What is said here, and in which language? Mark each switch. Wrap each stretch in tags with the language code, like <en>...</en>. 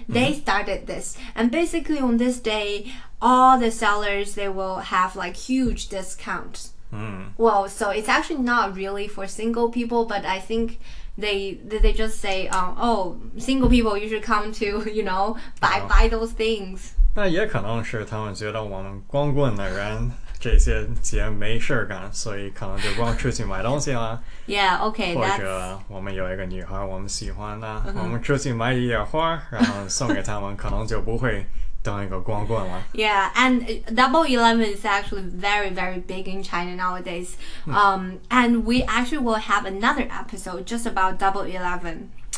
<en>They started this. And basically on this day, all the sellers, they will have like huge discounts. Well, so it's actually not really for single people, but I think... They just say, single people, you should come to, you know, buy those things.</en> <zh>那也可能是他们觉得我们光棍的人这些节没事干，所以可能就光出去买东西了。</zh> <en>Yeah, okay,</en> <zh>或者我们有一个女孩我们喜欢呢，我们出去买一点花，然后送给他们，可能就不会当一个光棍了。</zh> <en>Yeah, and Double 11 is actually very, very big in China nowadays. And we actually will have another episode just about Double 11.</en>